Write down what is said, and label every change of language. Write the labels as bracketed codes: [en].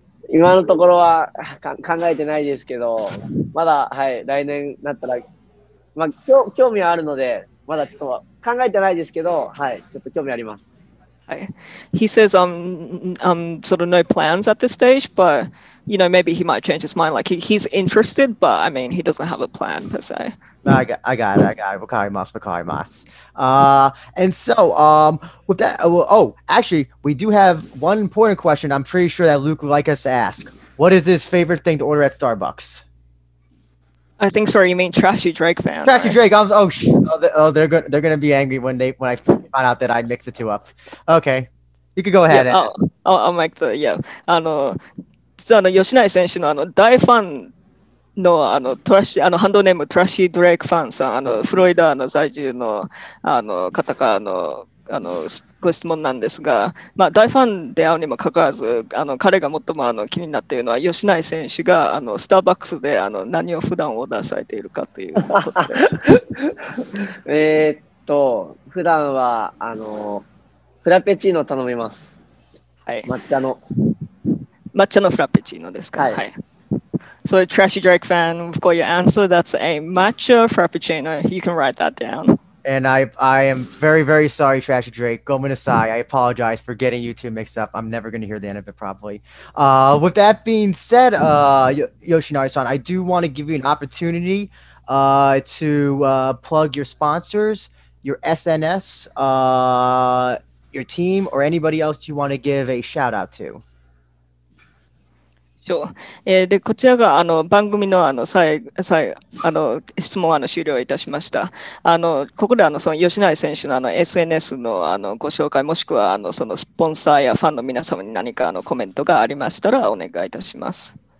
[ja] 今のところは考えてないですけど、まだ、はい、来年になったら、まあ、興味はあるので、まだちょっと考えてないですけど、はい、ちょっと興味あります。 [en] He says, sort of no plans at this stage, but, you know, maybe he might change his mind. Like, he's interested, but, I mean, he doesn't have a plan, per se. I got it. [ja] わかります。 [en] And so, with that, actually, we do have one important question I'm pretty sure that Luke would like us to ask. What is his favorite thing to order at Starbucks? I think, sorry, you mean Trashy Drake fan. Trashy right? Drake. They're going to be angry when I find out that I mix the two up. Okay. You can go ahead. Yeah, I'll make the, yeah. [ja] Yoshi Nai 選手の大ファンの、トラッシュ、ハンドネームトラッシードレイクファンさん、フロリダの在住の、方からの、ご質問なんですが、まあ、大ファンであるにもかかわらず、彼が最も気になっているのは、吉内選手がスターバックスで何を普段オーダーされているかということです。普段はフラペチーノ頼みます。はい、抹茶の。抹茶のフラペチーノですか。はい。はい、 [en] So, Trashy Drake fan, for your answer, that's a matcha frappuccino. You can write that down. And I am very, very sorry, Trashy Drake. [ja] Gomenasai, [en] I apologize for getting you two mixed up. I'm never going to hear the end of it properly. With that being said, Yoshinari-san, I do want to give you an opportunity to plug your sponsors, your SNS, your team, or anybody else you want to give a shout out to. [ja] でこちらが番組 の, 最質問は終了いたしました。ここでその吉内選手 の, SNS の, ご紹介もしくはそのスポンサーやファンの皆様に何かコメントがありましたらお願いいたします。